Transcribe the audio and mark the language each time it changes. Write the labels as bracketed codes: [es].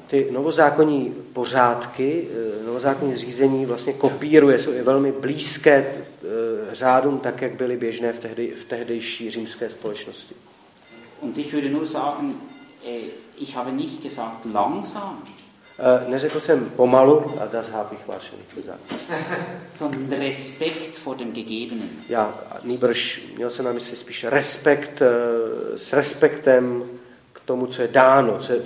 [cs] Ty novozákonní pořádky, novozákonní řízení vlastně kopíruje, jsou velmi blízké řádům, tak jak byly běžné v tehdejší římské společnosti. [de] Und ich würde nur sagen, ich habe nicht gesagt langsam. [cs] Neřekl jsem pomalu, a [de] das habe ich wahrscheinlich gesagt. Sondern Respekt vor dem Gegebenen. [cs] Ja, nýbrž měl jsem na mysli spíš respekt, s respektem k tomu, co je dáno,